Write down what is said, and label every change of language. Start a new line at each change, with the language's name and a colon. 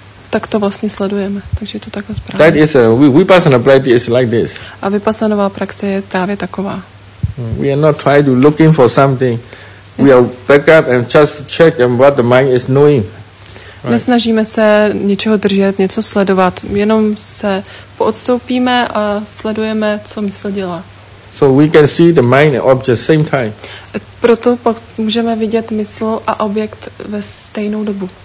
Czech: Tak to vlastně sledujeme. Takže je to takhle správně.
English: That is a vipassana practice is like this.
Czech: A vipassanová praxe je právě taková.
English: We are not trying to looking for something. Yes. We are back up and just check and what the mind is knowing. Right.
Czech: Nesnažíme se něčeho držet, něco sledovat. Jenom se poodstoupíme a sledujeme, co mysl dělá.
English: So we can see the mind and object same time.
Czech: Proto můžeme vidět mysl a objekt ve stejnou dobu.